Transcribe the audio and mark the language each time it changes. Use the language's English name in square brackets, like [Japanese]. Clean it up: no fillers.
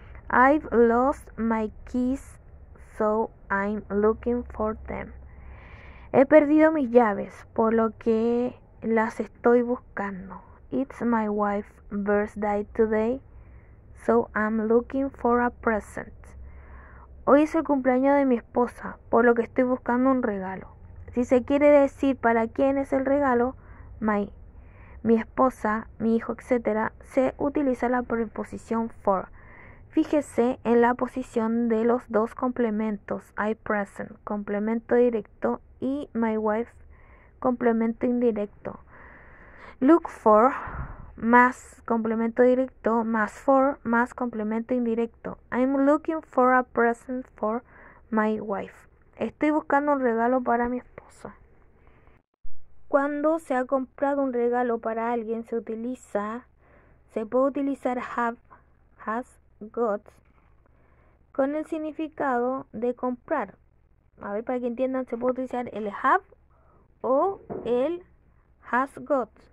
[English] I've lost my keys, so I'm looking for them. [Spanish] He perdido mis llaves, por lo que las estoy buscando. [English] It's my wife's birthday today, so I'm looking for a present. [Spanish] Hoy es el cumpleaños de mi esposa, por lo que estoy buscando un regalo. Si se quiere decir para quién es el regalo, mi esposa, mi hijo, etc., se utiliza la preposición for. Fíjese en la posición de los dos complementos, [English] I present, [Spanish] complemento directo, y [English] my wife, [Spanish] complemento indirecto. Look for, más complemento directo, más for, más complemento indirecto. [English] I'm looking for a present for my wife. [Spanish] Estoy buscando un regalo para mi esposa. Cuando se ha comprado un regalo para alguien, se puede utilizar have, has, got, con el significado de comprar. A ver, para que entiendan, se puede utilizar el have o el has got.